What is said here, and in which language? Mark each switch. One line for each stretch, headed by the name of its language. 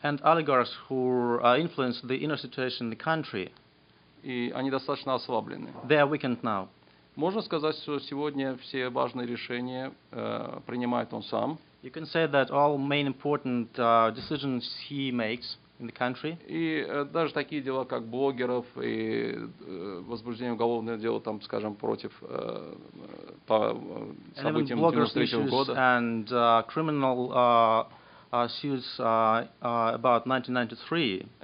English: And oligarchs who influenced the inner situation in the country.
Russian: И они достаточно ослаблены.
English: They are weakened now.
Russian: Можно сказать, что сегодня все важные решения принимает он сам.
English: You can say that all main important decisions he makes in the country.
Russian: И даже такие дела, как блогеров и возбуждение уголовного дела, там, скажем, против по событиям 93-го года.
English: And criminal suits about 1993.